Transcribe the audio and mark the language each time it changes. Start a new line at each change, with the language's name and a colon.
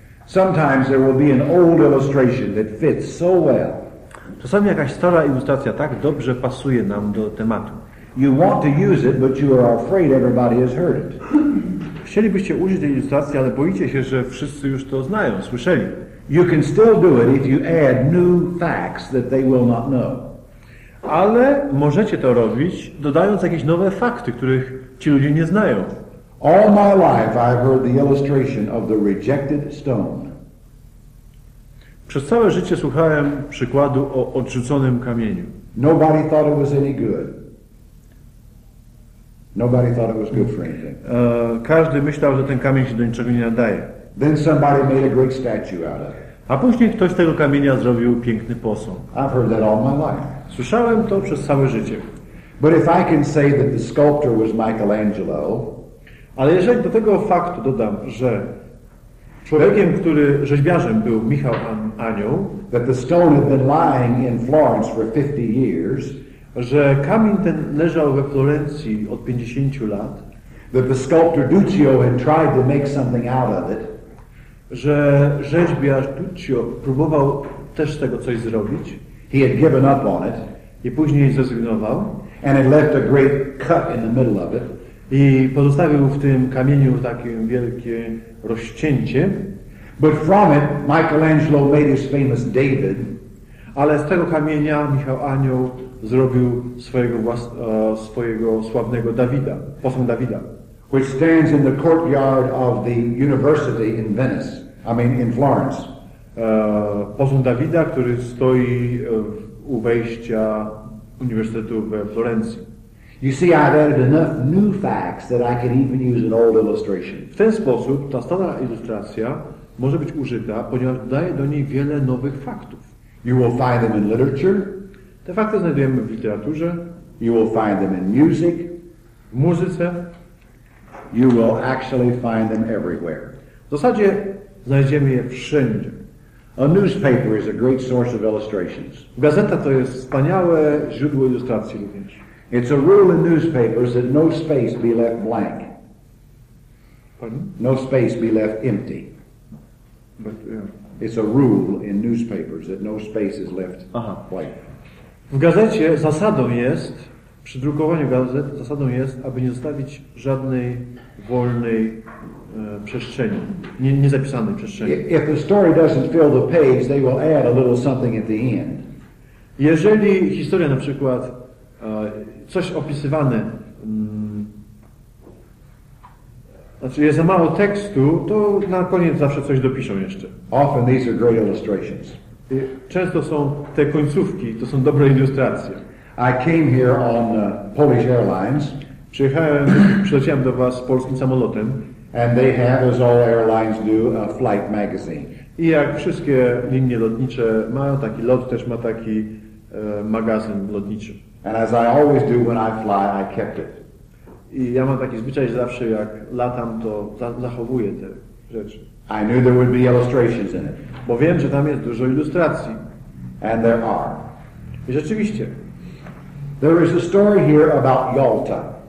English: Sometimes there will be an old illustration that fits so well.
Polish: Czasami jakaś stara ilustracja tak dobrze pasuje nam do tematu.
English: You want to use it, but you are afraid everybody has heard it.
Polish: Chcielibyście użyć tej ilustracji, ale boicie się, że wszyscy już to znają, słyszeli.
English: You can still do it if you add new facts that they will not know.
Polish: Ale możecie to robić, dodając jakieś nowe fakty, których ci ludzie nie znają.
English: All my life I've heard the illustration of the rejected stone.
Polish: Przez całe życie słuchałem przykładu o odrzuconym kamieniu.
English: Nobody thought it was any good. Nobody thought it was good for anything.
Polish: Każdy myślał, że ten kamień się do niczego nie nadaje.
English: Then somebody made a great statue out of it.
Polish: A później ktoś z tego kamienia zrobił piękny posąg.
English: I've heard that all my life.
Polish: Słyszałem to przez całe życie.
English: But if I can say that the sculptor was Michelangelo,
Polish: ale jeżeli do tego faktu dodam, że człowiekiem, który rzeźbiarzem był Michał anioł,
English: that the stone had been lying in Florence for 50 years,
Polish: że kamień ten leżał we Florencji od 50 lat,
English: that the sculptor Duccio had tried to make something out of it,
Polish: że rzeźbiarz Duccio próbował też z tego coś zrobić,
English: he had given up on it,
Polish: i później zrezygnował,
English: and it left a great cut in the middle of it,
Polish: i pozostawił w tym kamieniu takie wielkie rozcięcie.
English: But from it, Michelangelo made his famous David.
Polish: Ale z tego kamienia Michał Anioł zrobił swojego sławnego Dawida, posąg Dawida,
English: which stands in the courtyard of the university in Venice. In Florence.
Polish: Posąg Dawida, który stoi u wejścia Uniwersytetu we Florencji.
English: You see, I've added enough new facts that I can even use an old illustration.
Polish: W ten sposób ta stara ilustracja może być użyta, ponieważ daje do niej wiele nowych faktów.
English: You will find them in literature.
Polish: Te fakty znajdujemy w literaturze.
English: You will find them in music.
Polish: W muzyce.
English: You will actually find them everywhere.
Polish: W zasadzie znajdziemy je wszędzie.
English: A newspaper is a great source of illustrations.
Polish: Gazeta to jest wspaniałe źródło ilustracji również.
English: It's a rule in newspapers that no space be left blank. Pardon? No space be left empty. But, It's a rule in newspapers that no space is left blank.
Polish: W gazecie zasadą jest, przy drukowaniu gazet, zasadą jest, aby nie zostawić żadnej wolnej przestrzeni, niezapisanej przestrzeni.
English: If the story doesn't fill the page, they will add a little something at the end.
Polish: Jeżeli historia na przykład coś opisywane, znaczy jest za mało tekstu, to na koniec zawsze coś dopiszą jeszcze.
English: Often these are great illustrations.
Polish: Często są te końcówki, to są dobre ilustracje.
English: I came here on Polish Airlines.
Polish: Przyleciałem do was polskim samolotem.
English: And they have, as all airlines do, a flight magazine.
Polish: I jak wszystkie linie lotnicze mają taki lot, też ma taki magazyn lotniczy.
English: And as I always do when I fly, I kept it.
Polish: I ja mam taki zwyczaj, że zawsze jak latam, to zachowuję te rzeczy.
English: I knew there would be illustrations in it.
Polish: Bo wiem, że tam jest dużo ilustracji.
English: And there are.
Polish: I rzeczywiście.
English: There is a story here about Yalta.